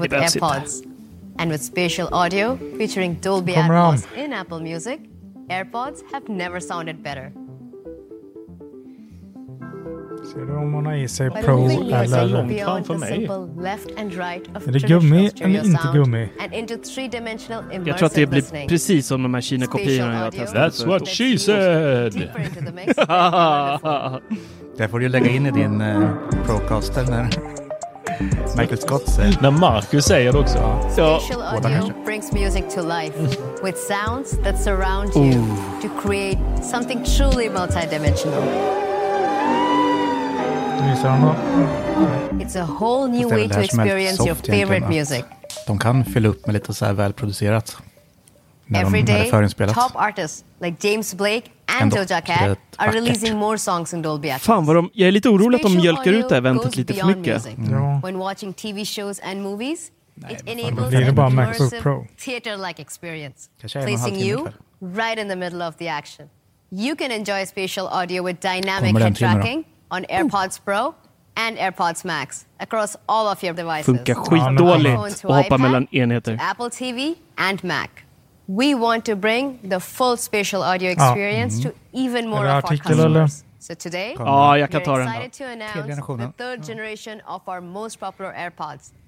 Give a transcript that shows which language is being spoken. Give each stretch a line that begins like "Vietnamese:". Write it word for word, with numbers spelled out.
English: with AirPods and with spatial audio featuring Dolby Atmos in Apple Music. AirPods have never sounded better.
Swedish: Ser du om hon har i sig Pro eller långt för mig? Är det gummi eller inte gummi? Jag tror att det blir precis som de här Kina-kopiorna jag testade.
English: That's what she said!
Swedish: Det får du lägga in i din eh, Procaster när Michael Scott säger. När Marcus säger det också. Ja.
English: Spatial audio brings music to life with sounds that surround you oh. to create something truly multidimensional. It's a whole new way to experience your favorite music.
Swedish: De kan fylla upp med lite så här välproducerat.
English: Every day, top artists like James Blake and Doja Cat are releasing more songs in Dolby Atmos.
Swedish: Fan vad de, jag är lite orolig att de mjölkar ut det här eventet lite för mycket.
English: Mm. When watching T V shows and movies, it enables an immersive theater-like experience, placing you right in the middle of the action. You can enjoy spatial audio with dynamic head tracking on AirPods Pro and AirPods Max across all of your devices.
Swedish: Funkar skitdåligt att hoppa mellan enheter.
English: Apple T V and Mac. We want to bring the full spatial audio experience
Swedish: ja.
English: mm. to even more of our customers. So today,
Swedish: ja, jag kan ta den.
English: Excited to announce the third generation of our most popular AirPods.